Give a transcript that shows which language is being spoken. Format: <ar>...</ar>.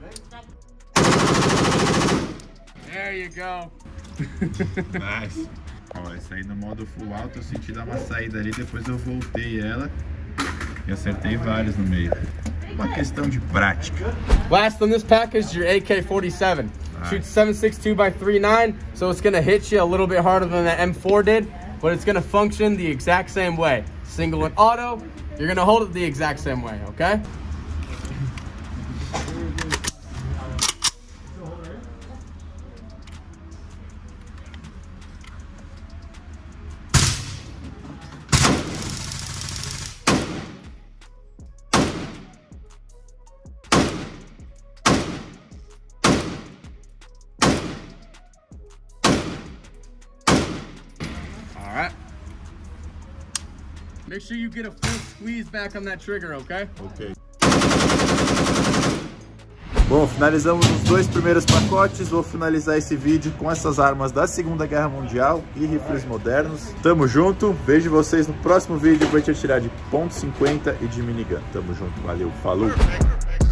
<en>Yeah. All right, sir. There you go.</en> <pt>Nice. Ó, saí no modo full auto, eu senti dar uma saída ali, depois eu voltei ela e acertei vários no meio. Uma questão de prática.</pt> <en>Last on this package, your AK-47. Nice. Shoots 7.62 by 3.9, so it's gonna hit you a little bit harder than the M4 did, but it's gonna function the exact same way. Single and auto, you're gonna hold it the exact same way, okay? Make sure you get a full squeeze back on that trigger, okay? Okay.</en> <pt>Bom, finalizamos os dois primeiros pacotes. Vou finalizar esse vídeo com essas armas da Segunda Guerra Mundial e rifles modernos. Tamo junto. Vejo vocês no próximo vídeo pra gente atirar de .50 e de minigun. Tamo junto. Valeu. Falou. Perfect.</pt>